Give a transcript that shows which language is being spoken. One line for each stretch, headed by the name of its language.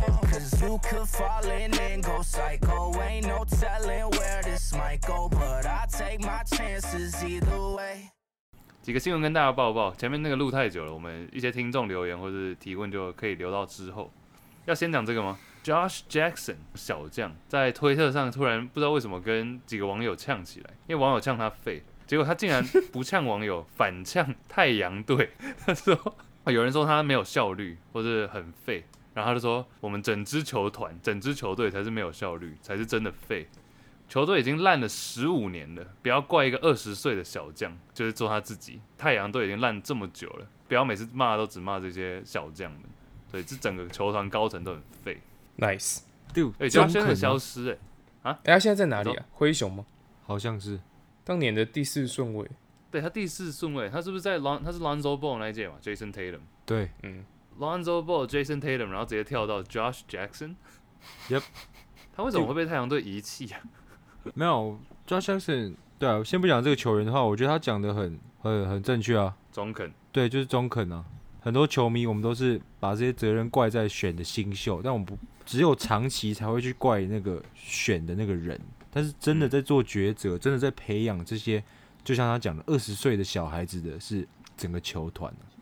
English: Cause you could fall in and go psycho. Ain't no telling where this might go. But I take my chances either way.
Chinese: 几个新闻跟大家报，前面那个录太久了，我们一些听众留言或是提问就可以留到之后。要先讲这个吗？ Josh Jackson 小将在推特上突然不知道为什么跟几个网友呛起来，因为网友呛他废，结果他竟然不呛网友，反呛太阳队。他说有人说他没有效率或者很废，然后他就说我们整支球团、整支球队才是没有效率，才是真的废。球队已经烂了15年了，不要怪一个20岁的小将，就是做他自己。太阳队已经烂这么久了，不要每次骂都只骂这些小将们。对，这整个球团高层都很废。
English: Nice， Dude，
Chinese: 哎、欸，他现在消失哎、欸，啊，哎、欸，他现在在哪里啊？灰熊吗？好像是当年的第四顺位。对他第四顺位，他是不是在他是 Lonzo Ball 那一届嘛 ？Jason Tatum。对，嗯，Lonzo Ball、Jason Tatum， 然后直接跳到 Josh Jackson。
English: Yep，
Chinese: 他为什么会被太阳队遗弃啊？没有 ，Josh Jackson， 对啊，先不讲这个球员的话，我觉得他讲的很正确啊，中肯。对，就是中肯啊。很多球迷我们都是把这些责任怪在选的新秀，但我们不只有长期才会去怪那个选的那个人，但是真的在做抉择、真的在培养这些，就像他讲的20岁的小孩子的是整个球团、